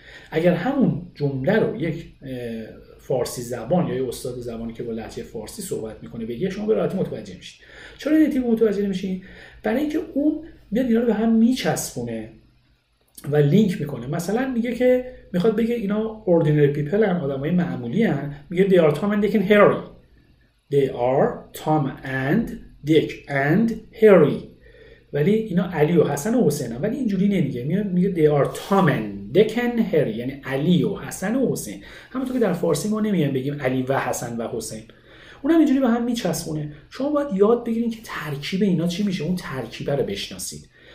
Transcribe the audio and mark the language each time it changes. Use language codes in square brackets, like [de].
[fa] اگر همون جمله رو یک فارسی زبان یا یه استاد زبانی که با لهجه فارسی صحبت میکنه بگه، شما به راحتی متوجه میشید. چرا نیتیو متوجه نمیشید؟ برای اینکه اون میاد اینا رو به هم میچسبونه و لینک میکنه. مثلا میگه که میخواد بگه اینا [en] ordinary people [fa] هن، آدم های معمولی هن. [en] میگه they are Tom and Dick and Harry. They are Tom and Dick and Harry. [fa] ولی اینا علی و حسن و حسین هن. ولی اینجوری نمیگه، میگه [en] they are Tom and [fa] دکن هری، یعنی علی و حسن و حسین. همونطور که در فارسی ما نمیگیم بگیم علی و حسن و حسین، اونم اینجوری به هم میچسبونه. شما باید یاد بگیرید که ترکیب اینا چی میشه، اون ترکیب رو بشناسید.